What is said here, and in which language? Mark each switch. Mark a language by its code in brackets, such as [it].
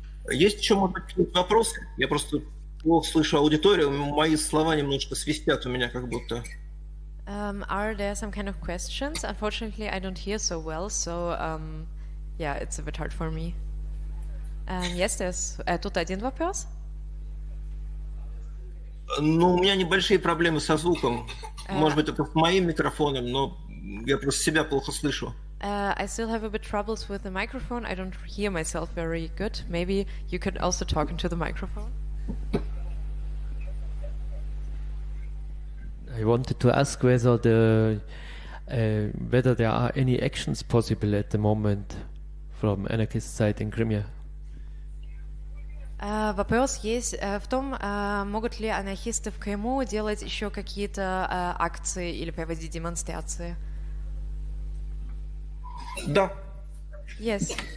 [ru] Есть еще, может быть, вопросы? Я просто плохо слышу аудиторию, мои слова немножко свистят у меня как будто. [en] Are there some kind of questions? Unfortunately, I don't hear so well, so yeah, it's a bit hard for me. Yes, there's... [ru] тут один вопрос? Ну, у меня небольшие проблемы со звуком. Может быть, это с моим микрофоном, но я просто себя плохо слышу. [en] I still have a bit troubles with the microphone. I don't hear myself very good. Maybe you could also talk into the microphone. I wanted to ask whether whether there are any actions possible at the moment from anarchist side in Crimea. [ru] Вопрос есть в том, могут ли анархисты в Крыму делать еще какие-то акции или проводить демонстрации? Да. [en] Yes.